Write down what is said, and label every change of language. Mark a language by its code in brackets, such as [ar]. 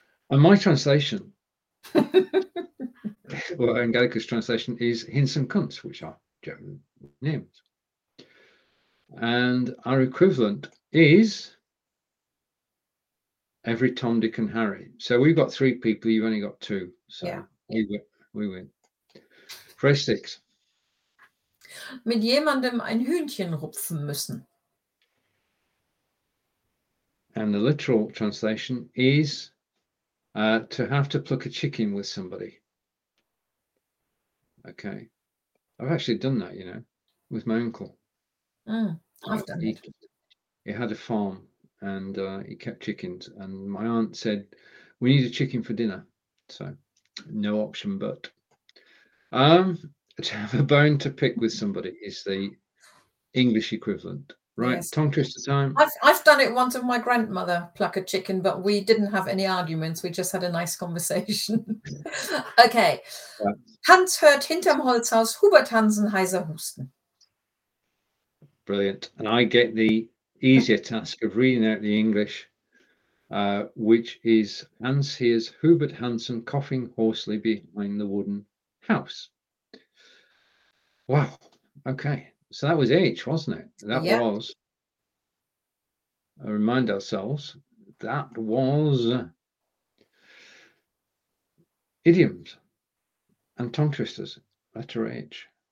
[en] And my translation, well, Angelica's translation is Hins und Kunz, which are German names. And our equivalent is... every Tom, Dick and Harry. So we've got three people, you've only got two. So we win. Phrase six. [de] Mit jemandem ein Hühnchen rupfen müssen. [en] And the literal translation is to have to pluck a chicken with somebody. Okay. I've actually done that, you know, with my uncle. I've done it. He had a farm and he kept chickens. And my aunt said, "We need a chicken for dinner," so no option but to have a bone to pick with somebody is the English equivalent, right? Yes. Tongue twister time. I've done it once with my grandmother, pluck a chicken, but we didn't have any arguments. We just had a nice conversation. Okay. Yeah. [de] Hans hört hinterm Holzhaus Hubert Hansen heiser husten. [en] Brilliant. And I get the easier task of reading out the English, which is Hans hears Hubert Hansen coughing hoarsely behind the wooden house. Wow. Okay. So that was H, wasn't it? That was, I remind ourselves, that was idioms and tongue twisters, letter H.